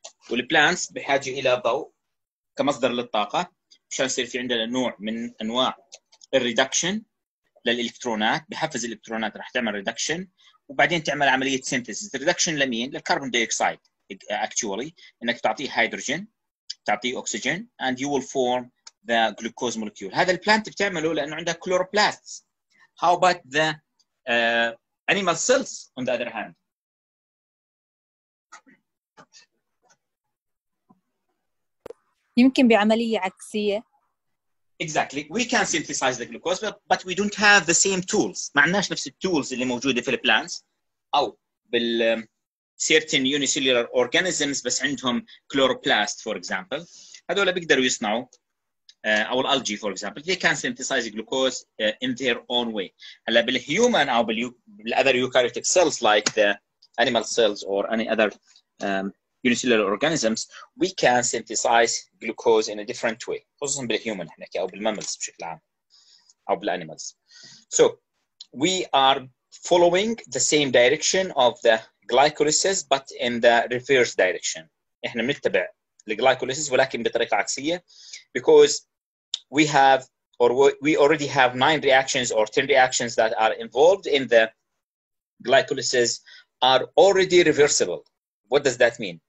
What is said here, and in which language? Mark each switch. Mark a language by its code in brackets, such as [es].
[ar] والplants بحاجة إلى ضوء كمصدر للطاقة عشان يصير في عندنا نوع من أنواع الريدكشن للإلكترونات، بحفز الإلكترونات راح تعمل ريدكشن وبعدين تعمل عملية سينثيسيس. ريدكشن لمين؟ للكربون ديوكسيد actually، إنك تعطيه هيدروجين تعطيه أكسجين [en] and you will form the glucose molecule. [ar] هذا البلانت بتعمله لأنه عندها كلوروبلاستس. [en] How about the animal cells on the other hand؟ [ar] يمكن بعملية عكسية. [en] Exactly. We can synthesize the glucose, but we don't have the same tools. [ar] ما عندناش نفس التولز اللي موجودة في البلانتس أو بال [en] certain unicellular organisms [ar] بس عندهم كلوروبلاست for example. هذول بيقدروا يصنعوا أو الالجي for example. [en] They can synthesize the glucose in their own way. [ar] هلا بالهيومن أو بالأذر يوكاريوتيك [en] cells like the animal cells or any other unicellular organisms, we can synthesize glucose in a different way. [ar] خصوصاً بالhuman حنكي أو بالmammals بشكل عام أو بالanimals. [en] So we are following the same direction of the glycolysis but in the reverse direction. [ar] إحنا بنتبع الglycolysis ولكن بطريقة عكسية [en] because we have or we already have 9 reactions or 10 reactions that are involved in the glycolysis are already reversible. What does that mean?